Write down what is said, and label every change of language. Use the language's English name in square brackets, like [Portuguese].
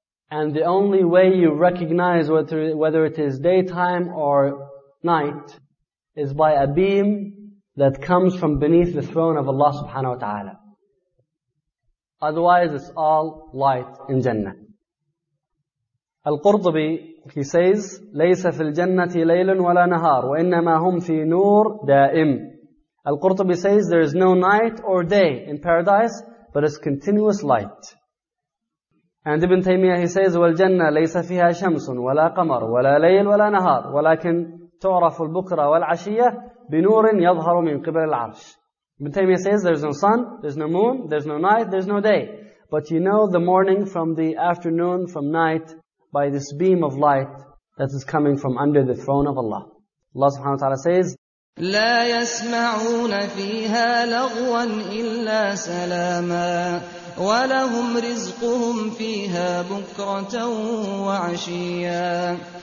[English] And the only way you recognize whether it is daytime or night is by a beam that comes from beneath the throne of Allah subhanahu wa ta'ala. Otherwise, it's all light in Jannah. Al-Qurtubi, he says, [Arabic] لَيْسَ فِي الْجَنَّةِ لَيْلٌ وَلَا نَهَارٌ وَإِنَّمَا هُمْ فِي نُورٍ دَائِمٍ. [English] Al-Qurtubi says, there is no night or day in paradise, but it's continuous light. And Ibn Taymiyyah, he says, [Arabic] وَالْجَنَّةِ لَيْسَ فِيهَا شَمْسٌ وَلَا قَمَرٌ وَلَا لَيْلٌ وَلَا نَهَارٌ وَلَكِنْ تُعْرَفُ الْبُكْرَةُ وَالْعَشِيَّةُ بِنُورٍ يَظْهَرُ مِنْ قِبَلِ الْعَرْشِ. [English] Ibn Taymiyyah says, there's no sun, there's no moon, there's no night, there's no day. But you know the morning from the afternoon, from night, by this beam of light that is coming from under the throne of Allah. Allah subhanahu wa ta'ala says, [Arabic] لَا يَسْمَعُونَ فِيهَا لَغْوًا إِلَّا سَلَامًا وَلَهُمْ رِزْقُهُمْ فِيهَا بُكْرَةً وَعَشِيًّا.